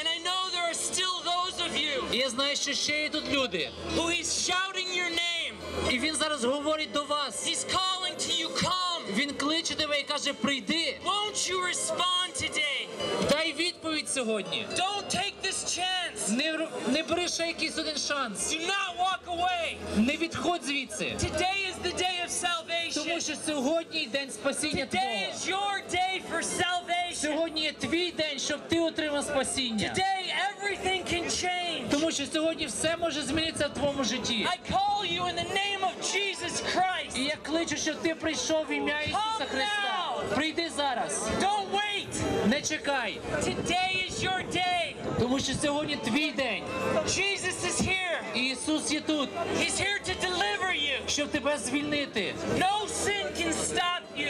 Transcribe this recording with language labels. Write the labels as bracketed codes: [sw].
[en] And I know there are still those of you. [uk] І я знаю, що ще є тут люди. [en] Who is shouting your name. [uk] І Він зараз говорить до вас. [en] He's calling to you, come. [uk] Він кличе тебе і каже, прийди. [en] Won't you respond today? [uk] Дай відповідь сьогодні. [en] Don't take this chance. [uk] Не бери ще якийсь один шанс. [en] Do not walk away. [uk] Не відходь звідси. [en] Today is the day of salvation. [uk] Тому що сьогодні день спасіння твого. [en] Today is your day for salvation. [uk] Сьогодні є твій день, щоб ти отримав спасіння. [en] Today everything can change. [uk] Тому що сьогодні все може змінитися в твоєму житті. [en] I call you in the name of Jesus Christ. [uk] І я кличу, щоб ти прийшов в ім'я Ісуса Христа. Прийди зараз. [en] Don't wait. [uk] Не чекай. [en] Today is your day. [uk] Тому що сьогодні твій день. [en] Jesus is here. [uk] І Ісус є тут. [en] He's here to deliver you. [uk] Щоб тебе звільнити. [en] No sin can stop you.